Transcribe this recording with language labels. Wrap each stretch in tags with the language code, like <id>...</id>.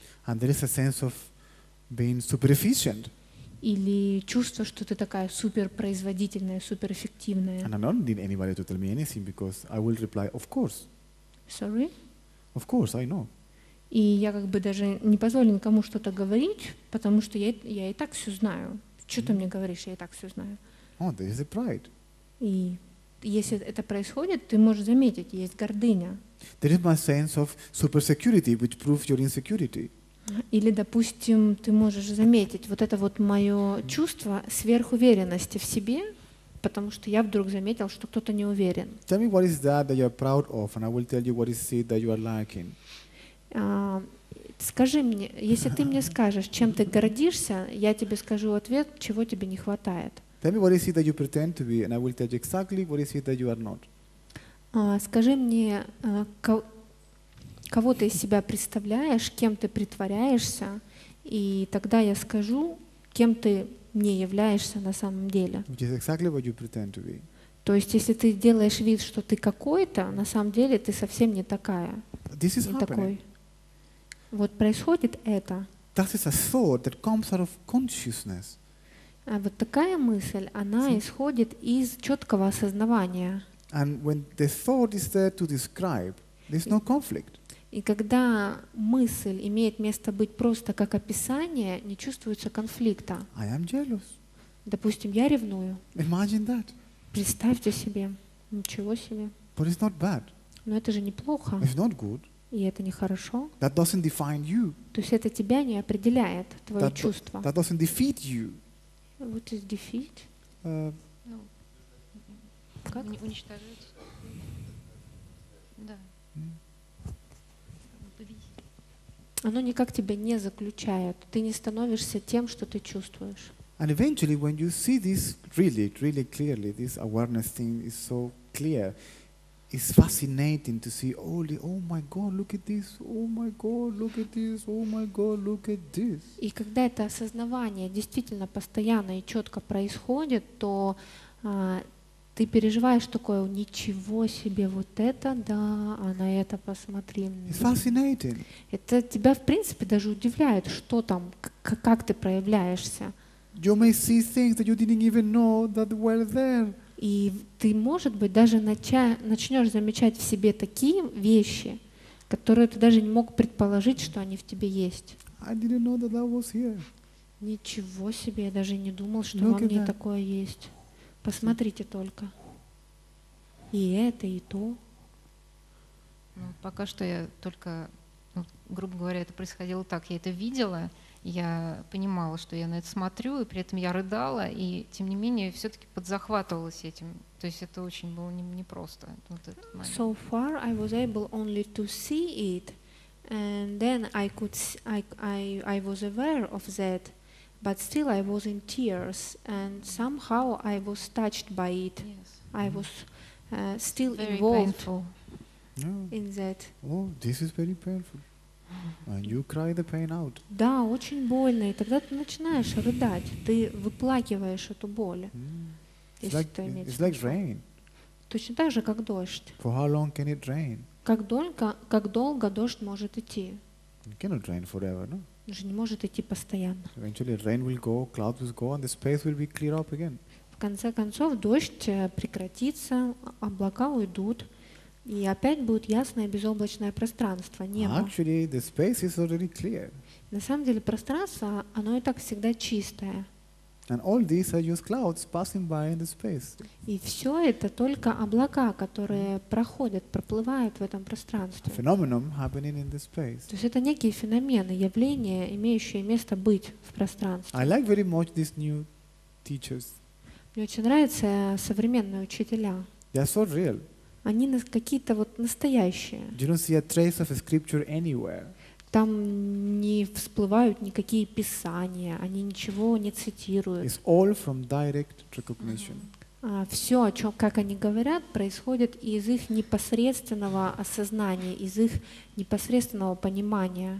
<en>And there is a sense of being super efficient.</en> <ru>или чувство, что ты такая суперпроизводительная, суперэффективная.</ru> <en>And I'm not needing anybody to tell me anything because I will reply, of course. Sorry? Of course, I know.</en> <ru>И я как бы даже не позволю никому что-то говорить, потому что я и так все знаю. Что ты мне говоришь, я и так все знаю.</ru> <en>Oh, there is a pride.</en> <ru>И если это происходит, ты можешь заметить, есть гордыня.</ru> <en>There is my sense of super security, which proves your insecurity.</en> <ru>Или, допустим, ты можешь заметить вот это вот мое чувство сверхуверенности в себе, потому что я вдруг заметил, что кто-то не уверен.</ru> <en>Tell me what is that that you are proud of, and I will tell you what is it that you are lacking.</en> <ru>Скажи мне, если ты мне скажешь, чем ты гордишься, я тебе скажу ответ, чего тебе не хватает.</ru> <en>Tell me what is it that you pretend to be, and I will tell you exactly what is it that you are not.</en> <ru>Скажи мне, кого ты из себя представляешь, кем ты притворяешься, и тогда я скажу, кем ты не являешься на самом деле.</ru> <en>Which is exactly what you pretend to be.</en> <ru>То есть, если ты делаешь вид, что ты какой-то, на самом деле ты совсем не такая.</ru> <en>This is happening.</en> <ru>Вот происходит это.</ru> <en>That is a thought that comes out of consciousness.</en> <ru>А вот такая мысль, она исходит из четкого осознавания.</ru> <en>And when the thought is there to describe, there's no conflict.</en> <ru>И когда мысль имеет место быть просто как описание, не чувствуется конфликта.</ru> <en>I am jealous.</en> <ru>Допустим, я ревную.</ru> <en>Imagine that.</en> <ru>Представьте себе. Ничего себе.</ru> <en>But it's not bad.</en> <ru>Но это же неплохо.</ru> <en>It's not good.</en> <ru>И это нехорошо.</ru> <en>That doesn't define you.</en> <ru>То есть это тебя не определяет, твое</ru> <en>that</en> <ru>чувство.</ru> <en>That doesn't defeat you. What is defeat?</en> <ru>Как? Уничтожить. Оно никак тебя не заключает. Ты не становишься тем, что ты чувствуешь.</ru> <en>And eventually, when you see this really, really clearly, this awareness thing is so clear, it's fascinating to see, holy, oh my God, look at this, oh my God, look at this, oh my God, look at this.</en> <ru>И когда это осознавание действительно постоянно и четко происходит, то ты переживаешь такое, ничего себе, вот это, да, а на это посмотри.</ru> <en>It's fascinating.</en> <ru>Это тебя, в принципе, даже удивляет, что там, как ты проявляешься.</ru> <en>You may see things that you didn't even know that were there.</en> <ru>И ты, может быть, даже начнешь замечать в себе такие вещи, которые ты даже не мог предположить, что они в тебе есть.</ru> <en>I didn't know that that was here.</en> <ru>Ничего себе, я даже не думал, что</ru> <en>Look</en> <ru>во мне</ru> <en>that.</en> <ru>Такое есть. Посмотрите только. И это, и то. Ну, пока что я только, ну, грубо говоря, это происходило так. Я это видела, я понимала, что я на это смотрю, и при этом я рыдала, и тем не менее все-таки подзахватывалась этим. То есть это очень было непросто. Вот этот момент.</ru> <en>So far I was able only to see it, and then I could I was aware of that. But still I was in tears and somehow I was touched by it. Yes. I was still very involved painful. In that. Oh, this is very painful. And you cry the pain out.</en> <ru>Да, очень больно. И тогда ты начинаешь рыдать. Ты выплакиваешь эту боль.</ru> <en>It's like rain.</en> <ru>Точно так же, как дождь.</ru> <en>For how long can it rain?</en> <ru>Как долго дождь может идти?</ru> <en>It cannot rain forever, no?</en> <ru>Же не может идти постоянно.</ru> <en>Eventually rain will go, clouds will go, and the space will be clear up again.</en> <ru>В конце концов дождь прекратится, облака уйдут, и опять будет ясное безоблачное пространство, небо.</ru> <en>Actually, the space is already clear.</en> <ru>На самом деле пространство, оно и так всегда чистое.</ru> <en>And all these are just clouds passing by in the space.</en> <ru>И все это только облака, которые проходят, проплывают в этом пространстве.</ru> <en>A phenomenon happening in the space.</en> <ru>То есть это некие феномены, явления, имеющие место быть в пространстве.</ru> <en>I like very much these new teachers.</en> <ru>Мне очень нравятся современные учителя.</ru> <en>They are so real.</en> <ru>Они какие-то вот настоящие.</ru> <en>You don't see a trace of a scripture anywhere.</en> <ru>Там не всплывают никакие писания, они ничего не цитируют.</ru> <en>It's all from direct recognition.</en> <ru>Все, о чем, как они говорят, происходит из их непосредственного осознания, из их непосредственного понимания.</ru>